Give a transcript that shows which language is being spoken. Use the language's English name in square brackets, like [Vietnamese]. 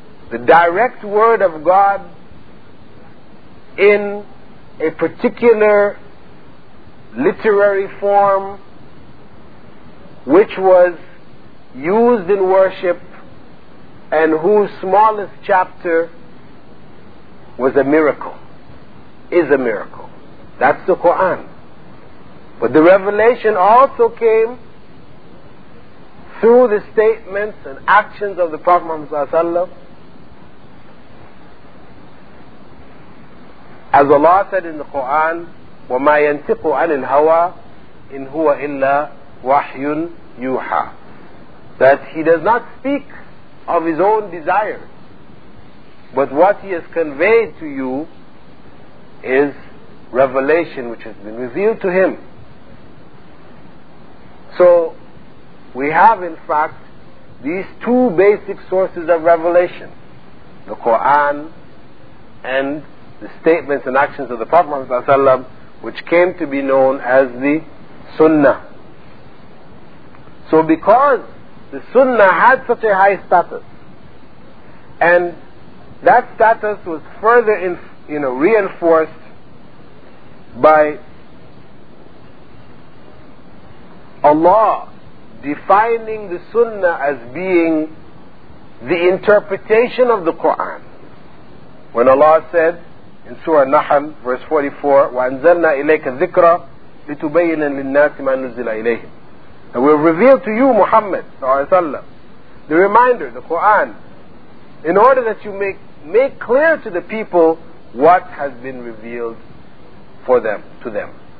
[English] The direct word of God in a particular literary form, which was used in worship, and whose smallest chapter was a miracle, is a miracle. That's the Quran. But the revelation also came through the statements and actions of the Prophet Muhammad ﷺ. As Allah said in the Quran, [Arabic] وَمَا يَنْتِقُ عَنِ الْهَوَىٰ إِنْ هُوَ إِلَّا وَحْيٌ يُوحَىٰ. [English] That he does not speak of his own desires, but what he has conveyed to you is revelation which has been revealed to him. So we have in fact these two basic sources of revelation, the Quran and the statements and actions of the Prophet Muhammad Sallallahu Alaihi Wasallam, which came to be known as the Sunnah. So because the Sunnah had such a high status, and that status was further reinforced by Allah defining the Sunnah as being the interpretation of the Quran. When Allah said in Surah Nahl, verse 44, [Arabic] وَأَنزَلْنَا إِلَيْكَ الذِّكْرَ لِتُبَيِّنَ لِلنَّاسِ مَا نُزِّلَ إِلَيْهِمْ. [English] And we'll reveal to you, Muhammad sallallahu alayhi wa sallam, the reminder, the Quran, in order that you make clear to the people what has been revealed for them, to them.